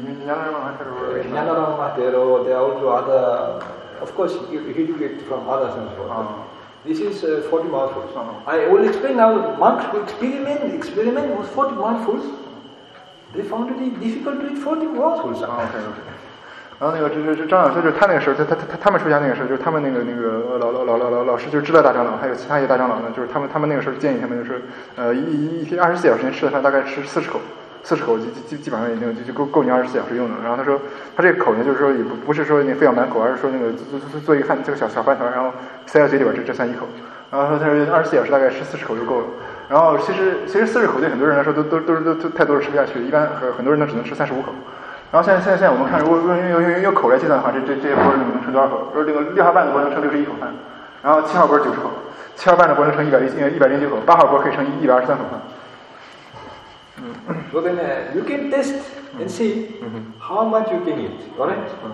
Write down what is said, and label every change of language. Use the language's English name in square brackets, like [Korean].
[English] Nyanarama Mahatero, there are also other. Of course, he did get from others and so on. This is 40 mouthfuls. Uh-huh. I will explain now, monks who experiment with 40 mouthfuls, they found it difficult to eat 40 mouthfuls. Uh-huh. Okay. [Chinese] 然后那个就张老师，就他那个时候，他们出家那个时候，就是他们那个老师就知道大长老，还有其他一些大长老呢，就是他们那个时候建议他们，就是一天24小时间吃的饭大概吃40口，基本上已经就够你24小时用的。然后他说他这个口呢，就是说也不是说你非要满口，而是说那个做一个饭这个小饭团，然后塞到嘴里边这算一口。然后他说24小时大概吃40口就够了。然后其实40口对很多人来说都太多了，吃不下去，一般很多人都只能吃35口。然后现在我们看，如果用口来计算的话，这些波能吃多少口？说这个六号半的波能吃61口饭，然后七号波90口，七号半的波能吃109口，八号波可以成123口饭。嗯。 [English] So then you can test and see how much you can eat, alright?